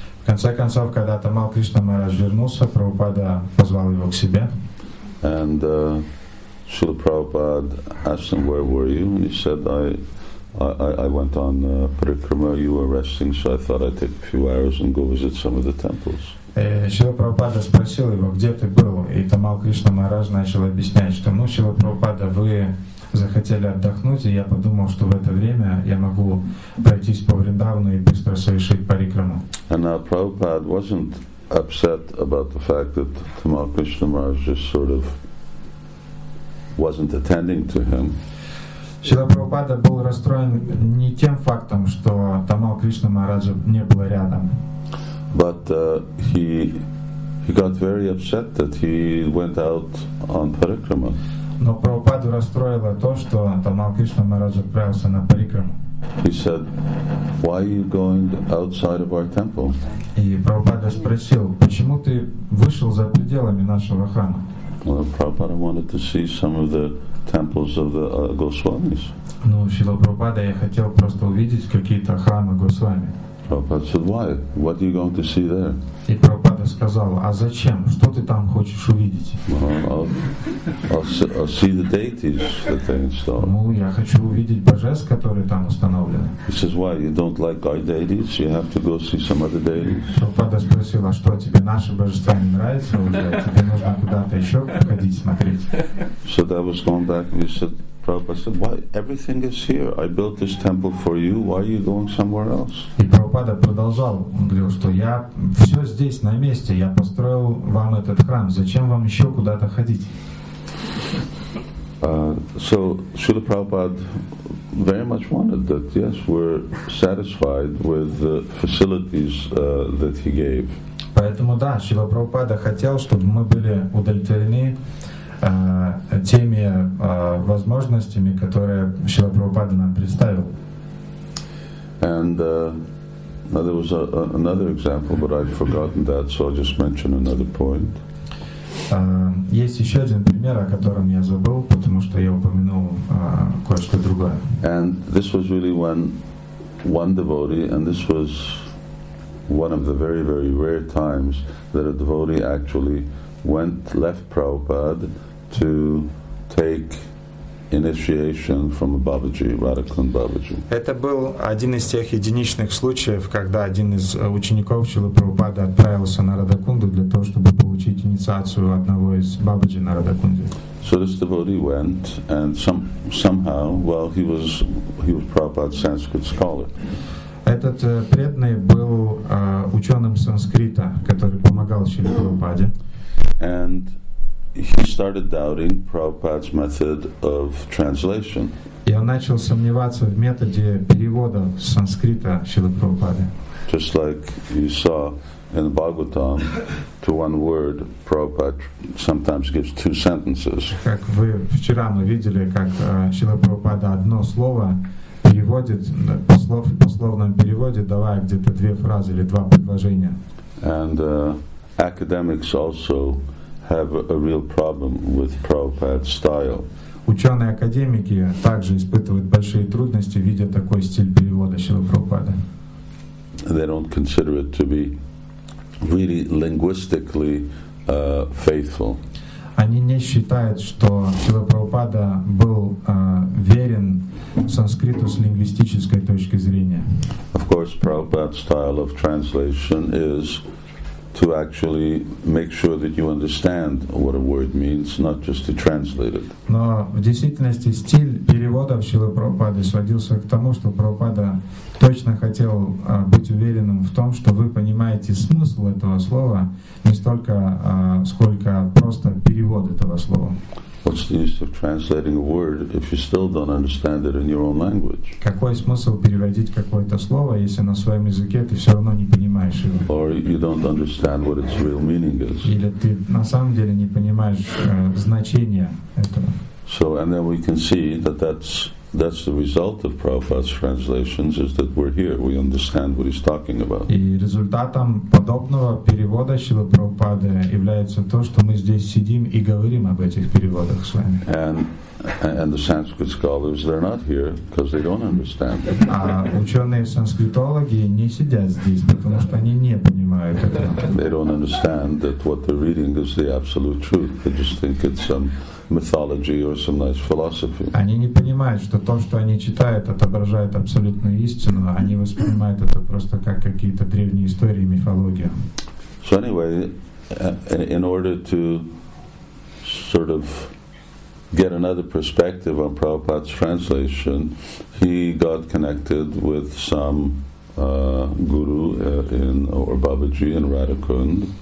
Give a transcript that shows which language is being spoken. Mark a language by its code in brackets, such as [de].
[ru] В конце концов, когда Tamal Krishna Maharaj вернулся, Прабхупада позвал его к себе. [en] And Srila Prabhupada asked him, "Where were you?" And he said, "I went on parikrama. You were resting, so I thought I'd take a few hours and go visit some of the temples." [ru] Шрила Прабхупада спросил его, где ты был, и Tamal Krishna Maharaj начал объяснять, что, ну, Шрила Прабхупада, вы захотели отдохнуть, и я подумал, что в это время я могу пройтись по Вриндавану и быстро совершить парикраму. [en] And Prabhupada wasn't upset about the fact that Tamal Krishna Maharaj just sort of wasn't attending to him. [ru] Шрила Прабхупада был расстроен не тем фактом, что Tamal Krishna Maharaj не был рядом. [en] But he got very upset that he went out on parikrama. [ru] Но Прабхупаду расстроило то, что Тамал Кришна Махарадж отправился на парикраму. [en] He said, "Why are you going outside of our temple?" [ru] И Прабхупада спросил, почему ты вышел за пределами нашего храма? [en] Well, Prabhupada wanted to see some of the temples of the Goswamis. [ru] Ну, Шрила Прабхупада, я хотел просто увидеть какие-то храмы Госвами. [en] Prabhupada said, "Why? What are you going to see there?" [ru] И Прабхупада сказал, а зачем? Что ты там хочешь увидеть? [en] I'll see the deities that they installed. [ru] Ну, я хочу увидеть божеств, которые там установлены. [en] He says, "Why? You don't like our deities? You have to go see some other deities." [ru] Прабхупада спросил, а что, тебе наши божества не нравятся уже? Тебе нужно куда-то еще ходить смотреть? [en] So that was going back, and he said, Prabhupada said, "Why? Everything is here. I built this temple for you. Why are you going somewhere else?" [ru] Прабхупада продолжал, он говорил, что я все здесь на месте, я построил вам этот храм, зачем вам еще куда-то ходить? [en] So Srila Prabhupada very much wanted that, yes, we're satisfied with the facilities that he gave. [ru] Поэтому да, Шрила Прабхупада хотел, чтобы мы были удовлетворены теми возможностями, которые Шрила Прабхупада нам представил. [en] And there was another example, but I've forgotten that, so I'll just mention another point. [ru] Есть еще один пример, о котором я забыл, потому что я упомянул кое-что другое. [en] And this was really when one devotee, and this was one of the very, very rare times that a devotee actually left Prabhupada to take initiation from a Babaji, Radhakund Babaji. [ru] Это был один из тех единичных случаев, когда один из учеников Шрилы Прабхупады отправился на Радхакунду для того, чтобы получить инициацию одного из Бабаджи на Радхакунде. [en] So this devotee went, and somehow, well, he was Prabhupada's Sanskrit scholar. [ru] Этот преданный был ученым санскрита, который помогал Шриле Прабхупаде. [en] And he started doubting Prabhupada's method of translation. [ru] И он начал сомневаться в методе перевода с санскрита Шриле Прабхупаде. [en] Just like you saw in the Bhagavatam, to one word, Prabhupada sometimes gives two sentences. [ru] Как вы вчера мы видели, как Шриле Прабхупада одно слово переводит в пословном переводе, давая где-то две фразы или два предложения. [en] And academics also have a real problem with Prabhupada's style. [ru] Ученые академики также испытывают большие трудности, видя такой стиль перевода Шрилы Прабхупады. [en] They don't consider it to be really linguistically faithful. [ru] Они не считают, что Шрила Прабхупада был верен санскриту с лингвистической точки зрения. [en] Of course, Prabhupada's style of translation is to actually make sure that you understand what a word means, not just to translate it. [ru] Но в действительности стиль перевода Шрилы Прабхупады сводился к тому, что Прабхупада точно хотел быть уверенным в том, что вы понимаете смысл этого слова не столько, сколько просто перевод этого слова. [en] What's the use of translating a word if you still don't understand it in your own language? [ru] Какой смысл переводить какое-то слово, если на своем языке ты все равно не понимаешь его? [en] Or you don't understand what its real meaning is. [ru] Или ты на самом деле не понимаешь значения этого? [en] So and then we can see that that's the result of Prabhupada's translations is that we're here, we understand what he's talking about. [ru] И результатом подобного перевода Шрилы Прабхупады является то, что мы здесь сидим и говорим об этих переводах с вами. [en] And the Sanskrit scholars, they're not here because they don't understand. [ru] А ученые санскритологи не сидят здесь, потому что они не понимают этого. [en] They don't understand that what they're reading is the absolute truth. They just think it's some mythology or some nice philosophy. [ru] Они не понимают, что то, что они читают, отображает абсолютную истину. Они воспринимают это просто как какие-то древние истории, мифология. [en] So anyway, in order to sort of get another perspective on Prabhupada's translation, he got connected with some guru in or Babaji in Radhakund.